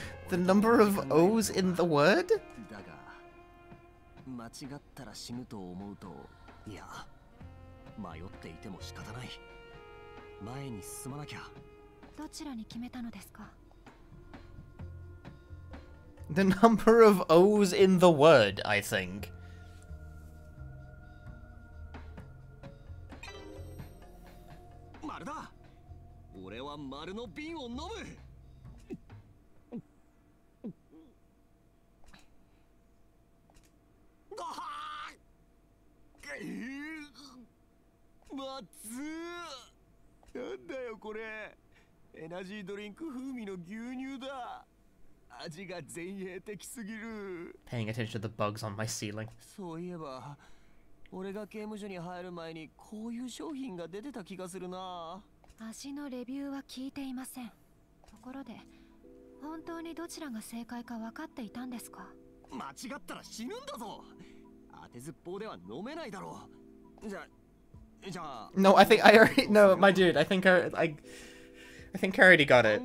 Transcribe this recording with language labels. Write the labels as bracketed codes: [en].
[en] The number of O's in the word? [ja] だが間違ったら死ぬと思うと、いや迷っていても仕方ない。前に進まなきゃ。どちらに決めたのですか？ [en] The number of O's in the word, I think. [ja] まるだ。俺は丸の瓶を飲む。ごはーん。まずー。なんだよこれ、エナジードリンク風味の牛乳だ。味が前衛的すぎる。 [en] Paying attention to the bugs on my ceiling. [ja] そういえば俺が刑務所に入る前にこういう商品が出てた気がするな。味のレビューは聞いていません。ところで本当にどちらが正解か分かっていたんですか？間違ったら死ぬんだぞ。当てずっぽうでは飲めないだろう。じゃあ、 [en] No, I think I already. No, my dude, I think I already got it.